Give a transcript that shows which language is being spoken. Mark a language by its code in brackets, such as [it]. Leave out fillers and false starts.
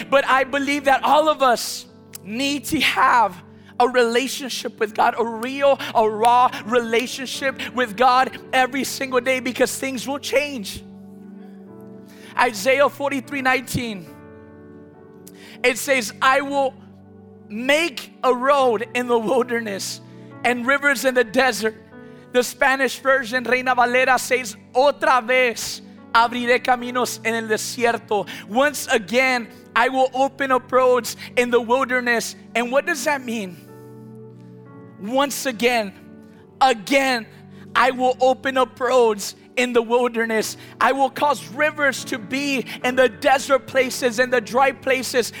[en] But I believe that all of us need to have a relationship with God, a raw relationship with God every single day, because things will change. Isaiah 43:19, it says, I will make a road in the wilderness and rivers in the desert. The Spanish version, Reina Valera, says, [es] otra vez abriré caminos en el desierto. [en] Once again, I will open up roads in the wilderness. And what does that mean? Once again, I will open up roads in the wilderness. I will cause rivers to be in the desert places and the dry places.